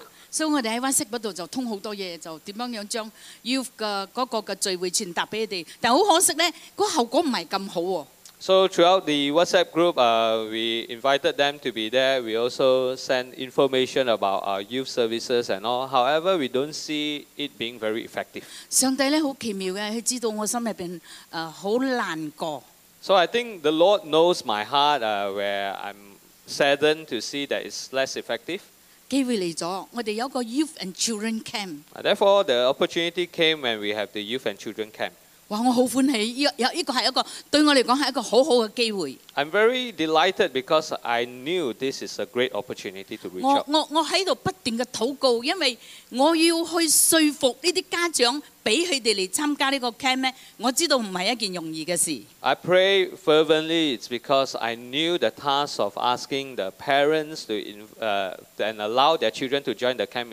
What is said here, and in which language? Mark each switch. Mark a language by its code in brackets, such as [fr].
[yue] 所以我哋喺WhatsApp嗰度就通好多嘢，就點樣樣將 youth 嘅嗰個嘅聚會傳達俾佢哋。但好可惜咧，嗰效果唔係咁好喎。 [en] So throughout the WhatsApp group, we invited them to be there. We also send information about our youth services and all. However, we don't see it being very effective. [yue] 上帝咧好奇妙嘅，佢知道我心入邊好難過。 [en] So I think the Lord knows my heart, where I'm saddened to see that it's less effective. [yue] 機會嚟咗，我哋有個 [en] youth and children camp. Therefore, the opportunity came when we have the youth and children camp. [yue] 哇！我好歡喜，依個係一個對我嚟講係一個好好嘅機會。 [en] I'm very delighted because I knew this is a great opportunity to reach out. [yue] 我喺度不斷嘅禱告，因為我要去說服呢啲家長俾佢哋嚟參加呢個 camp 咧，我知道唔係一件容易嘅事。 [en] I pray fervently. It's because I knew the task of asking the parents to and allow their children to join the camp.